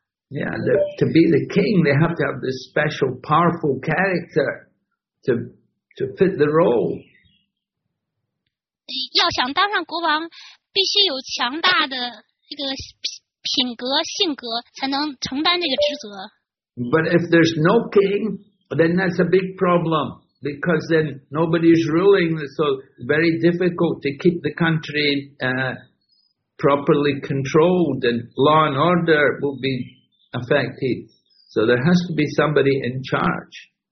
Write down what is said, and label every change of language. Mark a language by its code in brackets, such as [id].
[en] Yeah, to be the king, they have to have this special, powerful character to fit the role. [zh] 要想当上国王，必须有强大的这个品格、性格，才能承担这个职责。 [en] But if there's no king, then that's a big problem, because then nobody's ruling, so it's very difficult to keep the country properly controlled, and law and order will be affected. So there has to be somebody in charge.